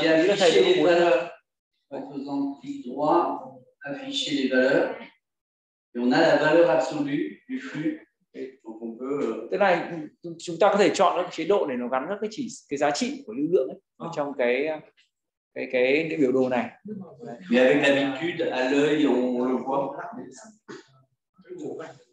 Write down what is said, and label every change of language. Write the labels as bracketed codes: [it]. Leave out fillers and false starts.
[fr] j'ai affiché les valeurs. En faisant clic droit, afficher les valeurs. Et on a la valeur absolue du flux. Et donc on peut. [vi] Tức là chúng ta có thể chọn các chế độ để nó gắn các cái chỉ cái giá trị của lưu lượng ấy, trong cái biểu đồ này. [fr] Mais avec l'habitude, à l'œil, on le voit.